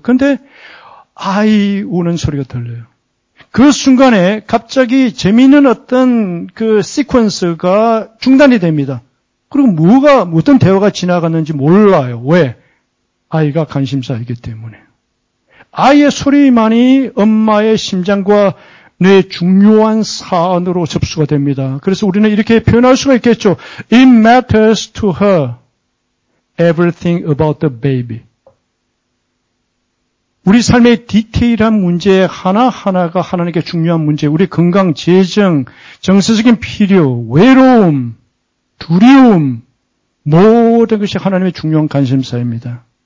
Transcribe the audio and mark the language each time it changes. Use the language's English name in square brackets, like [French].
[Korean] 그런데 아이 우는 소리가 들려요. 그 순간에 갑자기 재미있는 어떤 그 시퀀스가 중단이 됩니다. 그리고 뭐가, 어떤 대화가 지나갔는지 몰라요. 왜? 아이가 관심사이기 때문에. 아이의 소리만이 엄마의 심장과 뇌의 중요한 사안으로 접수가 됩니다. 그래서 우리는 이렇게 표현할 수가 있겠죠. [English] It matters to her everything about the baby. [Korean] 우리 삶의 디테일한 문제 하나하나가 하나님께 중요한 문제, 우리 건강, 재정, 정서적인 필요, 외로움, 두려움, 모든 것이 하나님의 중요한 관심사입니다.